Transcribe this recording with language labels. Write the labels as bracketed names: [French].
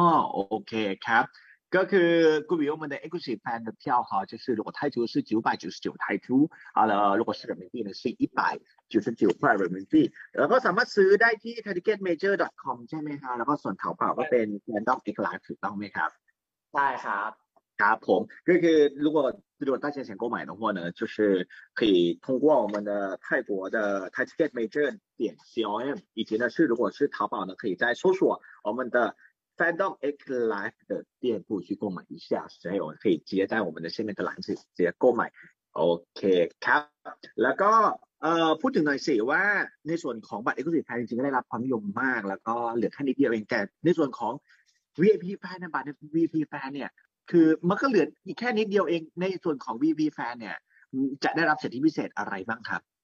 [Thai] ครับผมหรือว่า199 yuan ครับอ๋อโอเคครับก็คือ [Chinese] Google Home 的 Exclusive Fan 的票哈就是如果泰铢是999泰铢好了如果是人民币呢是199块人民币 [Thai] แล้วก็สามารถซื้อได้ที่ ticketmaker.com ใช่ไหมครับแล้วก็ส่วนเขาเปล่าก็เป็น Random Exclusive ถูกต้องไหมครับ ใช่ครับ ครับผมก็คือ [Chinese] 如果比如大家想购买的话呢就是可以通过我们的泰国的 ticketmajor.com 以及呢是如果是淘宝呢可以再搜索我们的 fandom x life 的店铺去购买一下，还有可以直接在我们的下面的栏子直接购买。 [English] OK [Thai] ครับแล้วก็พูดถึงหน่อยสิว่าในส่วนของบัตร exclusive ไทยจริงๆก็ได้รับความนิยมมากแล้วก็เหลือแค่นิดเดียวเองแต่ในส่วนของ VIP แฟนบัตร VIP แฟนเนี่ยคือมันก็เหลืออีกแค่นิดเดียวเองในส่วนของ VIP แฟนเนี่ยจะได้รับสิทธิพิเศษอะไรบ้างครับ